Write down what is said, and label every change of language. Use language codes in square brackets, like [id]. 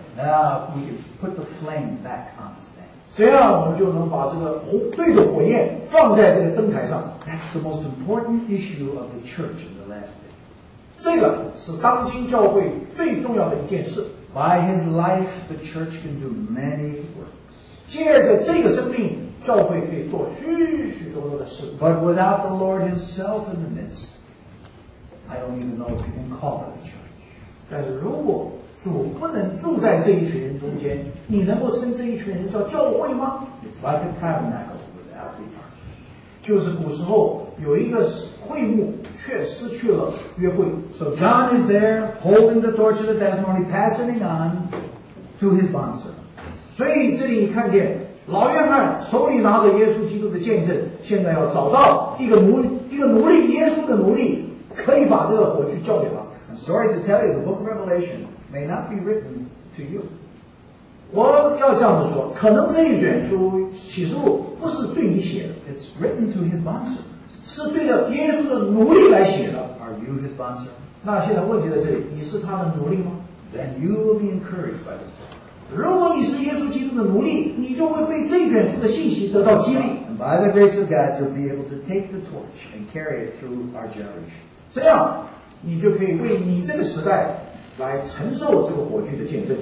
[en] now we can put the flame back on the stand. [zh] 这样我们就能把这个对着火焰放在这个灯台上。 [en] That's the most important issue of the church in the last days. [zh] 这个是当今教会最重要的一件事。 [en] By his life, the church can do many works. [zh] 借着这个生命，教会可以做许许多多的事。 [en] But without the Lord himself in the midst, I don't even know if you can call it a church. [zh] 但是如果主不能住在这一群人中间，你能够称这一群人叫教会吗？ [en] It's like a tabernacle without the ark. [zh] 就是古时候有一个会幕却失去了约会。 [en] So John is there holding the torch of the testimony, passing on to his bondservant. [zh] 所以这里你看见老约翰手里拿着耶稣基督的见证，现在要找到一个奴隶，耶稣的奴隶，可以把这个火炬交给他。 [en] I'm sorry to tell you, the book of Revelation may not be written to you. [zh] 我要这样子说，可能这一卷书启示录不是对你写的。 [en] It's written to his bondservant. [zh] 是对着耶稣的奴隶来写的。 [en] Are you his sponsor? [zh] 那现在问题在这里，你是他的奴隶吗？ [en] Then you will be encouraged by this. [zh] 如果你是耶稣基督的奴隶，你就会被这卷书的信息得到激励。 [en] And by the grace of God, you'll be able to take the torch and carry it through our generation. [zh] 这样，你就可以为你这个时代来承受这个火炬的见证。